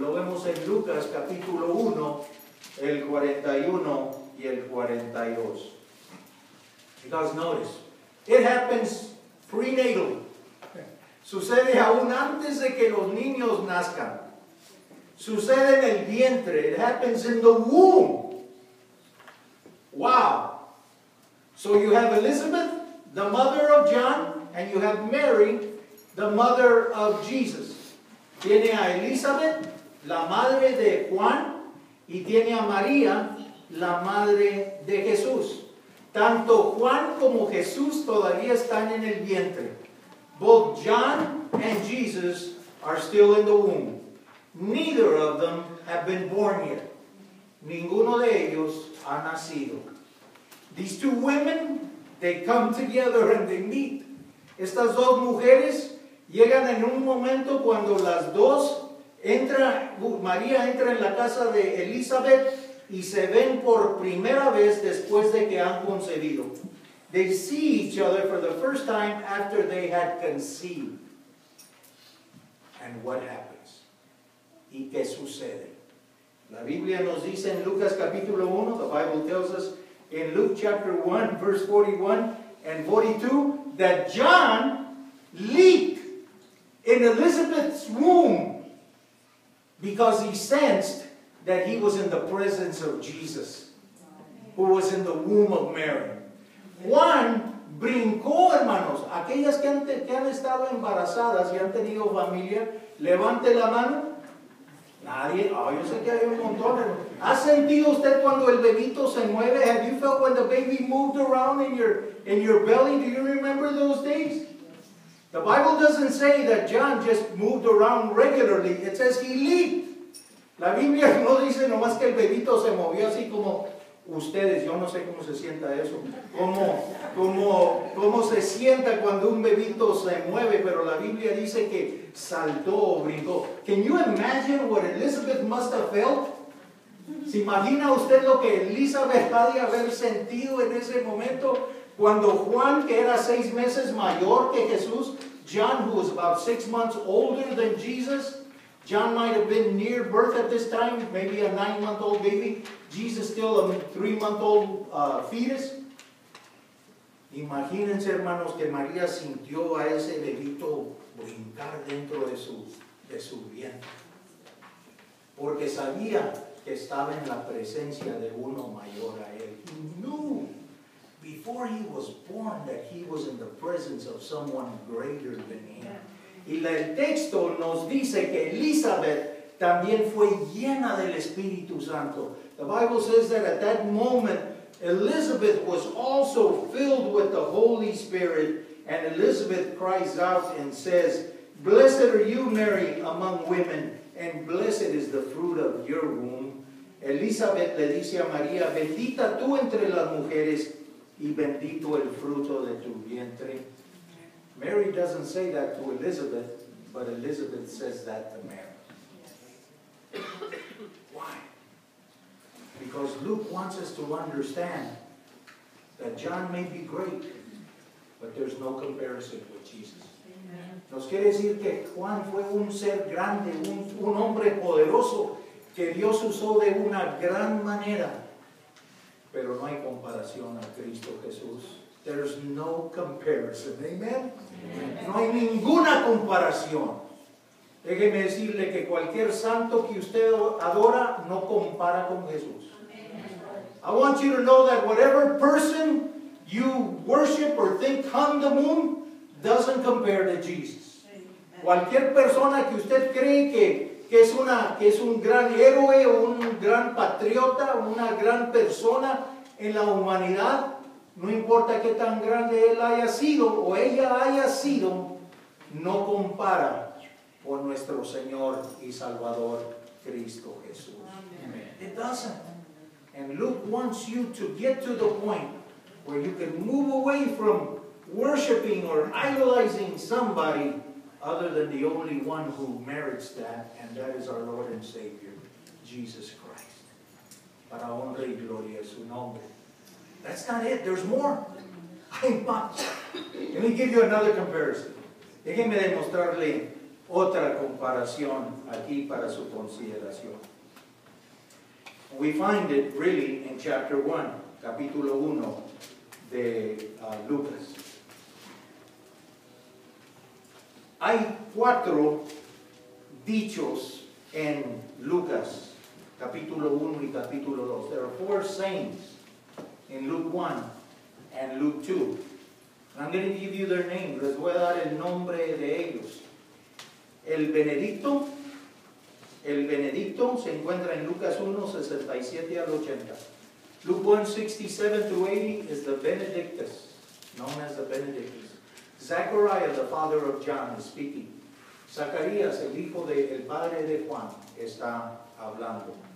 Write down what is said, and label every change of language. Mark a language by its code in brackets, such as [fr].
[es] Lo vemos en Lucas capítulo 1, el 41 y el 42. [en] Because notice, it happens prenatal. [es] Sucede aún antes de que los niños nazcan. Sucede en el vientre. [en] It happens in the womb. Wow. So you have Elizabeth, the mother of John, and you have Mary, the mother of Jesus. [es] Tiene a Elizabeth, la madre de Juan, y tiene a María, la madre de Jesús. Tanto Juan como Jesús todavía están en el vientre. [en] Both John and Jesus are still in the womb. Neither of them have been born yet. [es] Ninguno de ellos ha nacido. [en] These two women, they come together and they meet. [es] Estas dos mujeres llegan en un momento cuando las dos María entra en la casa de Elizabeth y se ven por primera vez después de que han concebido. [en] They see each other for the first time after they had conceived. And what happened? [es] ¿Y qué sucede? La Biblia nos dice en Lucas capítulo 1, [en] the Bible tells us in Luke chapter 1, verse 41 and 42, that John leaped in Elizabeth's womb because he sensed that he was in the presence of Jesus, who was in the womb of Mary. [es] Juan brincó, hermanos. Aquellas que han estado embarazadas y han tenido familia, levante la mano. Nadie, yo sé que hay un montón. ¿Ha sentido usted cuando el bebito se mueve? [en] Have you felt when the baby moved around in your belly? Do you remember those days? The Bible doesn't say that John just moved around regularly. It says he leaped. [es] La Biblia no dice nomás que el bebito se movió así como ustedes. Yo no sé cómo se sienta eso. ¿Cómo se sienta cuando un bebito se mueve? Pero la Biblia dice que saltó o brincó. [en] Can you imagine what Elizabeth must have felt? [es] ¿Se imagina usted lo que Elizabeth ha de haber sentido en ese momento? Cuando Juan, que era 6 meses mayor que Jesús, [en] John, who was about 6 months older than Jesus, John might have been near birth at this time, maybe a 9-month-old baby. Jesus still a 3-month-old fetus. [es] Imagínense, hermanos, que María sintió a ese bebito brincar dentro de su vientre. Porque sabía que estaba en la presencia de uno mayor a él. [en] He knew before he was born that he was in the presence of someone greater than him. [es] Y el texto nos dice que Elizabeth también fue llena del Espíritu Santo. [en] The Bible says that at that moment, Elizabeth was also filled with the Holy Spirit. And Elizabeth cries out and says, "Blessed are you, Mary, among women, and blessed is the fruit of your womb." [es] Elizabeth le dice a María, "Bendita tú entre las mujeres, y bendito el fruto de tu vientre." [en] Mary doesn't say that to Elizabeth, but Elizabeth says that to Mary. Why? Because Luke wants us to understand that John may be great, But there's no comparison with Jesus. Amen. [es] Nos quiere decir que Juan fue un ser grande, un hombre poderoso que Dios usó de una gran manera. Pero no hay comparación a Cristo Jesús. [en] There's no comparison. [es] Amen. Amen. No hay ninguna comparación. Déjeme decirle que cualquier santo que usted adora no compara con Jesús. Amen. [en] I want you to know that whatever person you worship or think on the moon doesn't compare to Jesus. Amen. [es] Cualquier persona que usted cree que es un gran héroe o un gran patriota, una gran persona en la humanidad, no importa qué tan grande él haya sido o ella haya sido, no compara con nuestro Señor y Salvador Cristo Jesús. Amen. [en] It doesn't. And Luke wants you to get to the point where you can move away from worshiping or idolizing somebody other than the only one who merits that, and that is our Lord and Savior, Jesus Christ. [es] Para honra y gloria su nombre. [en] That's not it. There's more. [es] Hay más. [en] Let me give you another comparison. [es] Déjenme demostrarle otra comparación aquí para su consideración. [en] We find it really in chapter 1, [es] capítulo 1 de Lucas. Hay cuatro dichos en Lucas, capítulo 1 y capítulo 2. [en] There are four sayings in Luke 1 and Luke 2. I'm going to give you their name. [es] Les voy a dar el nombre de ellos. El Benedicto se encuentra en Lucas 1, 67 al 80. [en] Luke 1, 67 to 80 is the Benedictus, known as the Benedictus. Zechariah, the father of John, is speaking. [es] Zacarías, el hijo de el padre de Juan, está hablando.